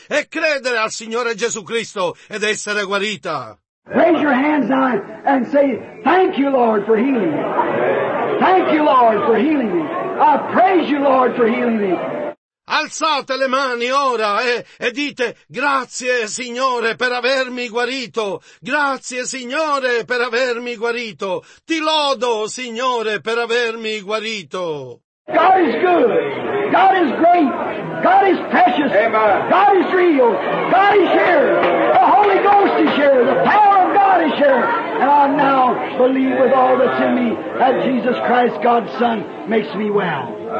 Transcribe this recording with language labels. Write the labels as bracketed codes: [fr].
[it] È credere al Signore Gesù Cristo ed essere guarita. [en] Raise your hands on and say, thank you Lord for healing me. Thank you Lord for healing me. I praise you Lord for healing me. [it] Alzate le mani ora e dite grazie Signore per avermi guarito, grazie Signore per avermi guarito, ti lodo Signore per avermi guarito. [en] God is good, God is great, God is precious, God is real, God is here, the Holy Ghost is here, the power of God is here, and I now believe with all that's in me that Jesus Christ, God's Son, makes me well.